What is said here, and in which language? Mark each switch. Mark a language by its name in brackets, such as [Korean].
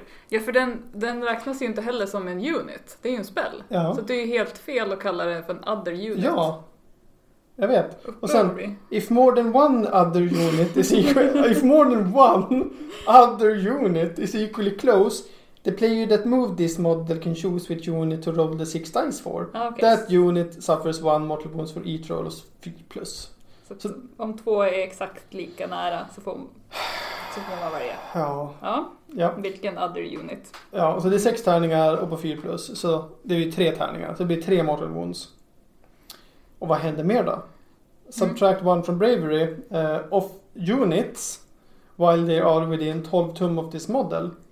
[Swedish] Ja, för den räknas ju inte heller som en unit. Det är ju en spell. Ja. Så det är ju helt fel att kalla det för en other unit. Ja. Jag vet. Och sen, [English] if more than one other unit is equal, if more than one other unit is equally close, the player that moved this model can choose which unit to roll the six dice for. Okay. That unit suffers one mortal wounds for each roll of 4+. [Swedish] Så om två är exakt lika nära så får man varje. Ja. Vilken other unit? Ja, så det är sex tärningar och på 4+. Så det är ju tre tärningar. Så det blir 3 mortal wounds. Och vad händer mer då? [English] Subtract one from bravery of units while they are within 12 tum of this model.